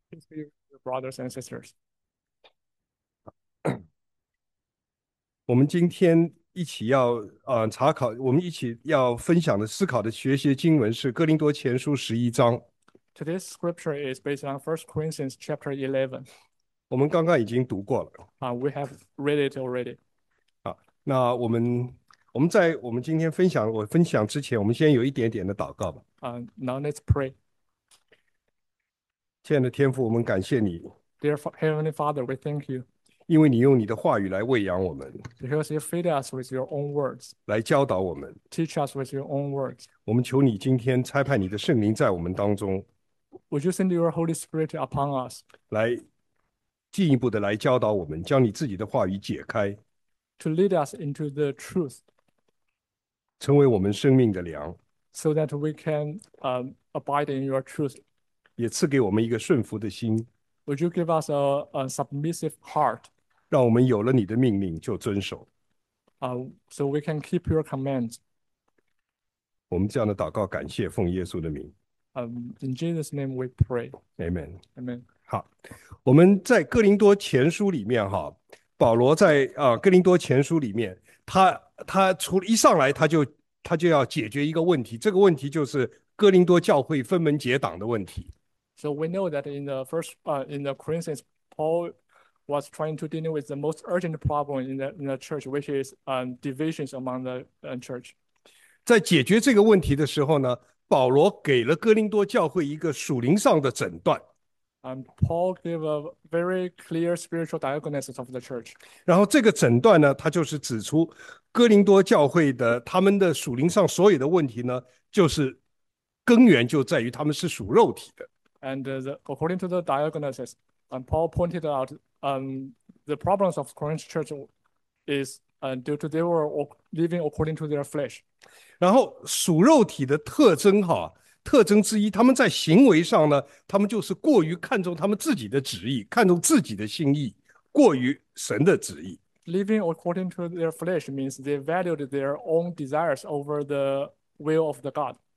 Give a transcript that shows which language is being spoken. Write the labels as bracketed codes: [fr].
[en] Your brothers and sisters. [zh] 我们今天一起要查考，我们一起要分享的、思考的、学习的经文是《哥林多前书》十一章。 [en] Today's scripture is based on 1 Corinthians chapter 11. [zh] 我们刚刚已经读过了。 [en] We have read it already. [zh] 那我们在我们今天分享我分享之前，我们先有一点点的祷告吧。 [en] Now let's pray. [zh] 亲爱的天父，我们感谢你， [en] Dear Heavenly Father, we thank you [zh] 因为你用你的话语来喂养我们， [en] because you feed us with your own words, [zh] 来教导我们。 [en] teach us with your own words. [zh] 我们求你今天差派你的圣灵在我们当中， [en] Would you send your Holy Spirit upon us [zh] 来进一步的来教导我们，将你自己的话语解开， [en] to lead us into the truth [zh] 成为我们生命的粮。 [en] so that we can abide in your truth? [zh] 也赐给我们一个顺服的心， [en] Would you give us a submissive heart? [zh] 让我们有了你的命令就遵守。 [en] So we can keep your commands. [zh] 我们这样的祷告，感谢奉耶稣的名。 [en] In Jesus' name we pray. Amen。 Amen. [zh] 好，我们在哥林多前书里面哈，保罗在哥林多前书里面，他除了一上来他就要解决一个问题，这个问题就是哥林多教会分门结党的问题。 [en] So we know that in the Corinthians, Paul was trying to deal with the most urgent problem in the church, which is divisions among the church. [zh] 在解决这个问题的时候呢，保罗给了哥林多教会一个属灵上的诊断。 [en] Paul gave a very clear spiritual diagnosis of the church. [zh] 然后这个诊断呢，他就是指出哥林多教会的他们的属灵上所有的问题呢，就是根源就在于他们是属肉体的。 [en] And according to the diagnosis, Paul pointed out the problems of Corinth Church is due to they were living according to their flesh. [zh] 然后属肉体的特征特征之一，他们在行为上呢，他们就是过于看重他们自己的旨意，看重自己的心意，过于神的旨意。 [en] Living according to their flesh means they valued their own desires over the will of the God.